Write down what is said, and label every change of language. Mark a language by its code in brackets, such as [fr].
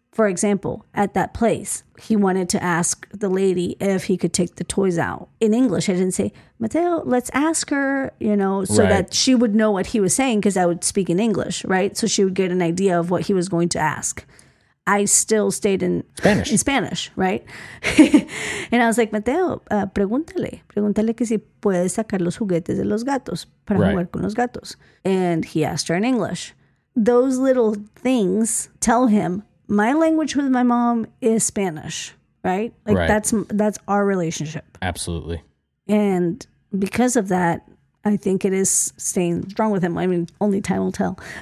[en] For example, at that place, he wanted to ask the lady if he could take the toys out in English. I didn't say, Mateo, let's ask her, you know, so right. that she would know what he was saying because I would speak in English, right? So she would get an idea of what he was going to ask. I still stayed in Spanish, right? And I was like, [es] Mateo, pregúntale que si puede sacar los juguetes de los gatos para right. jugar con los gatos. [en] And he asked her in English. Those little things tell him, my language with my mom is Spanish, right? Like right. that's our relationship. Absolutely. And because of that, I think it is staying strong with him. I mean, only time will tell.